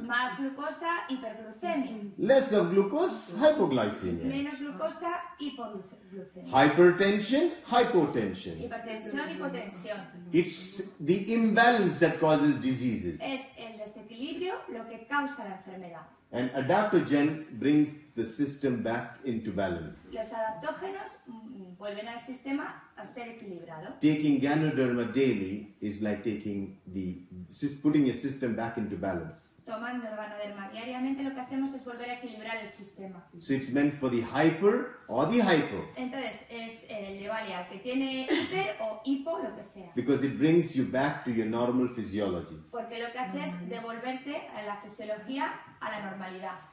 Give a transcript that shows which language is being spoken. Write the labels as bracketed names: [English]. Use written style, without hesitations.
[Spanish] Más glucosa, hiperglucemia. [English] Less of glucose, hypoglycemia. [Spanish] Menos glucosa, hipoglucemia. [English] Hypertension, hypotension. [Spanish] Hipertensión, hipotensión. [English] It's the imbalance that causes diseases. [Spanish] Es el desequilibrio lo que causa la enfermedad. [English] And adaptogen brings the system back into balance. [Spanish] Los adaptógenos vuelven al sistema a ser equilibrado. [English] Taking Ganoderma daily is like putting your system back into balance. [Spanish] Tomando Ganoderma diariamente, lo que hacemos es volver a equilibrar el sistema. [English] So it's meant for the hyper or the hypo. [Spanish] Entonces es le vale al que tiene hiper o hipo, lo que sea. [English] Because it brings you back to your normal physiology. [Spanish] Porque lo que hace es devolverte a la fisiología, a la normalidad.